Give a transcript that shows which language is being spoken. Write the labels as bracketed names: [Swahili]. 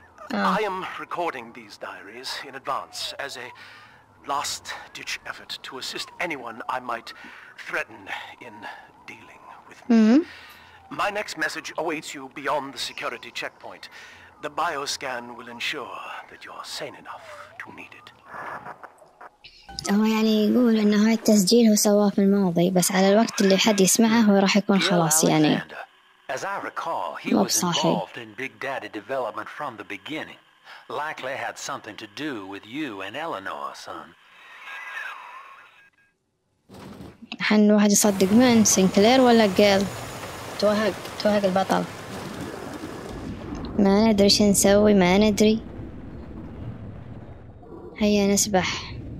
[English] I am recording these diaries in advance as a last-ditch effort to assist anyone I might threaten in dealing with me. Mm-hmm. My next message awaits you beyond the security checkpoint. The bioscan will ensure that you're sane enough. [Arabic] هو يعني يقول إن هاي التسجيل هو سواه في الماضي، بس على الوقت اللي حد يسمعه هو راح يكون خلاص يعني. [English] As I recall, he was involved in Big Daddy development from the beginning. Likely had something to do with you and Eleanor, son. [Arabic] حن واحد يصدق من سينكلير ولا جيل؟ توهق توهق البطل. ما ندري شو نسوي ما ندري. هيا نسبح.